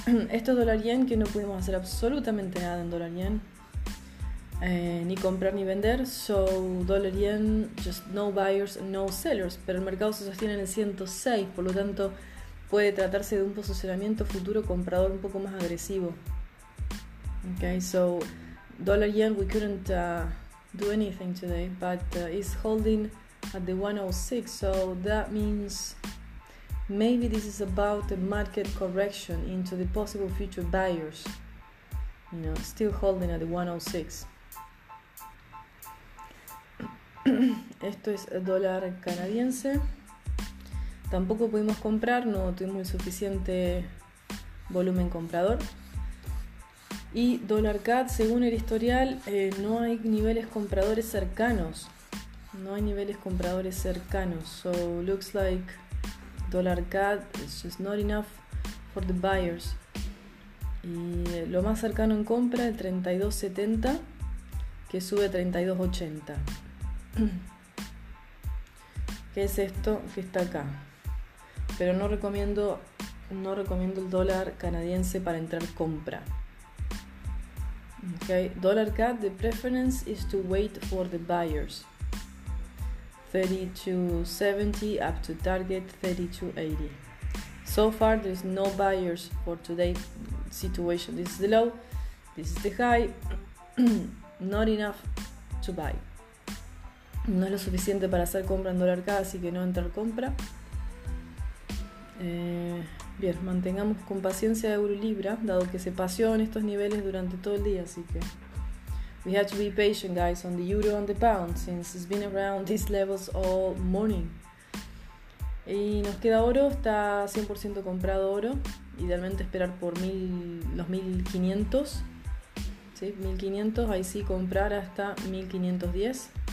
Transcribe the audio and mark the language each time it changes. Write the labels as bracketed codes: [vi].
[es] Esto es dólar yen, que no pudimos hacer absolutamente nada en dólar yen. Ni comprar ni vender, [en] so dollar yen, just no buyers, no sellers, [es] pero el mercado se sostiene en el 106, por lo tanto puede tratarse de un posicionamiento futuro comprador un poco más agresivo. [en] Okay, so dollar yen, we couldn't do anything today, but it's holding at the 106, so that means maybe this is about a market correction into the possible future buyers, you know, still holding at the 106. [es] Esto es dólar canadiense. Tampoco pudimos comprar, no tuvimos el suficiente volumen comprador. Y dólar CAD, según el historial, no hay niveles compradores cercanos. No hay niveles compradores cercanos. [en] So looks like dólar CAD is just not enough for the buyers. [es] Y lo más cercano en compra, el 32.70, que sube 32.80. ¿Qué es esto que está acá? Pero no recomiendo el dólar canadiense para entrar compra. [en] Okay, dollar CAD, the preference is to wait for the buyers. 32.70 up to target 32.80. So far there's no buyers for today's situation. This is the low, this is the high. Not enough to buy. [es] No es lo suficiente para hacer compra en dólar CAD, así que no entrar compra. Bien, mantengamos con paciencia euro libra, dado que se paseó en estos niveles durante todo el día, así que... [en] We have to be patient, guys, on the euro and the pound, since it's been around these levels all morning. [es] Y nos queda oro, está 100% comprado oro. Idealmente esperar por los 1500. ¿Sí? 1500, ahí sí comprar hasta 1510.